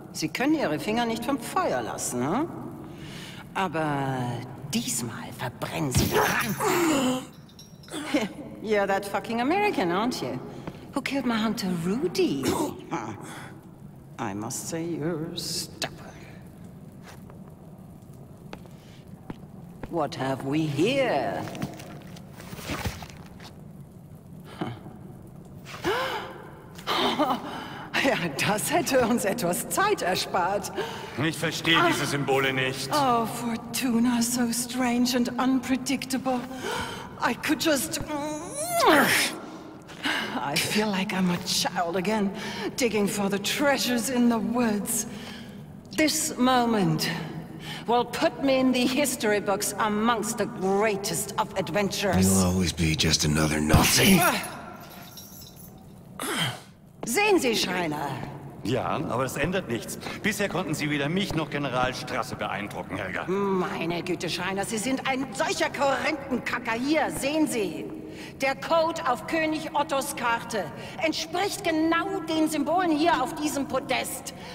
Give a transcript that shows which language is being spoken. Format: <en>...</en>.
<de>Sie können Ihre Finger nicht vom Feuer lassen, hm? Aber diesmal verbrennen Sie daran.</de> <en>You're that fucking American, aren't you? Who killed my hunter Rudy? I must say you're stubborn. What have we here?</en> <de>Ja, das hätte uns etwas Zeit erspart. Ich verstehe diese Symbole nicht.</de> <en>Oh, Fortuna, so strange and unpredictable. I could just... I feel like I'm a child again, digging for the treasures in the woods. This moment will put me in the history books amongst the greatest of adventurers. You'll always be just another Nazi.</en> <de>Sehen Sie, Schreiner? Ja, aber das ändert nichts. Bisher konnten Sie weder mich noch General Strasse beeindrucken, Helga. Meine Güte, Schreiner, Sie sind ein solcher Korinthenkacker. Hier, sehen Sie. Der Code auf König Ottos Karte entspricht genau den Symbolen hier auf diesem Podest.</de>